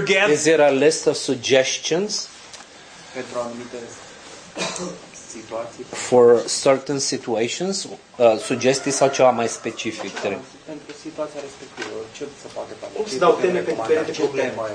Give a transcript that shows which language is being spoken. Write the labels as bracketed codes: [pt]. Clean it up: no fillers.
[en] Is there a list of suggestions? [ro] Pentru anumite situații. [en] For certain situations? [ro] Sugestii sau ceva mai specific? Pentru situația respectivă. Ce se poate face? Cum se dau teme pentru ea de probleme?